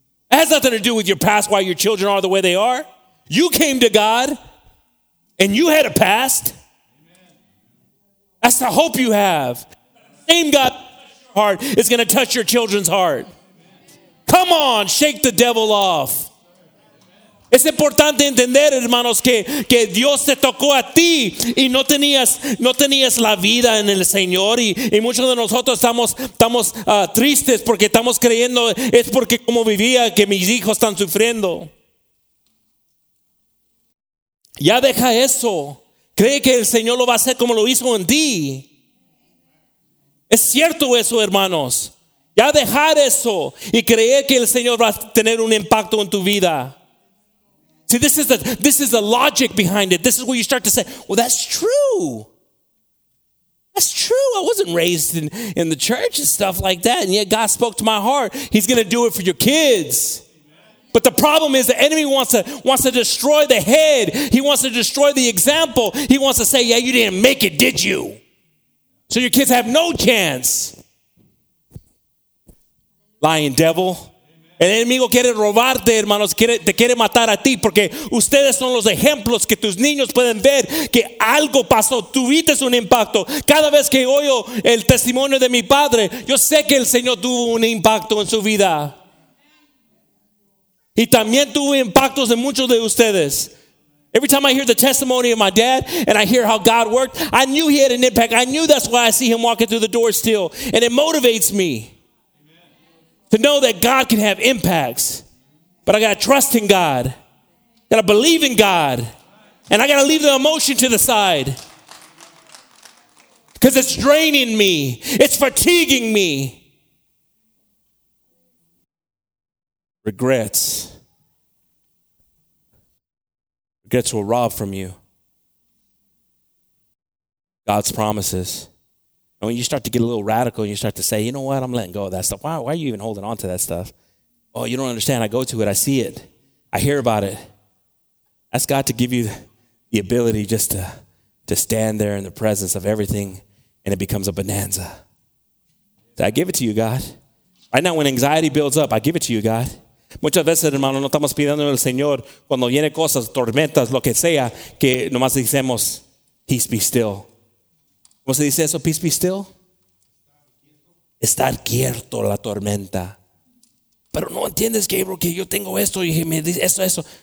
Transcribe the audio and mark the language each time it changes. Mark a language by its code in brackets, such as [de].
[en] It has nothing to do with your past, why your children are the way they are. You came to God and you had a past. That's the hope you have. Same God heart is going to touch your children's heart. Come on, shake the devil off. [es] Es importante entender, hermanos, que Dios te tocó a ti y no tenías la vida en el Señor. Y muchos de nosotros estamos tristes porque estamos creyendo es porque como vivía que mis hijos están sufriendo. Ya deja eso. Cree que el Señor lo va a hacer como lo hizo en ti. Es cierto eso, hermanos. Ya dejar eso y creer que el Señor va a tener un impacto en tu vida. [en] See, this is the logic behind it. This is where you start to say, well, that's true. That's true. I wasn't raised in the church and stuff like that. And yet God spoke to my heart. He's going to do it for your kids. But the problem is the enemy wants to destroy the head. He wants to destroy the example. He wants to say, yeah, you didn't make it, did you? So your kids have no chance. Lying devil. Amen. [es] El enemigo quiere robarte, hermanos, te quiere matar a ti, porque ustedes son los ejemplos que tus niños pueden ver que algo pasó, tuviste un impacto. Cada vez que oigo el testimonio de mi padre, yo sé que el Señor tuvo un impacto en su vida. Y también tuvo impactos en muchos de ustedes. [en] Every time I hear the testimony of my dad and I hear how God worked, I knew he had an impact. I knew that's why I see him walking through the door still. And it motivates me. To know that God can have impacts. But I got to trust in God. Got to believe in God. And I got to leave the emotion to the side. Because it's draining me. It's fatiguing me. Regrets. Regrets will rob from you God's promises. And when you start to get a little radical and you start to say, you know what, I'm letting go of that stuff. Why are you even holding on to that stuff? Oh, you don't understand. I go to it. I see it. I hear about it. Ask God to give you the ability just to stand there in the presence of everything, and it becomes a bonanza. So I give it to you, God. Right now, when anxiety builds up, I give it to you, God. [es] Muchas veces, hermano, no estamos pidiendo al Señor cuando vienen cosas, tormentas, lo que sea, que nomás decimos, [en] peace be still. [es] ¿Cómo se dice eso? Peace be still. Estar quieto la tormenta. Pero no entiendes, Gabriel, que yo tengo esto y me dice esto, eso.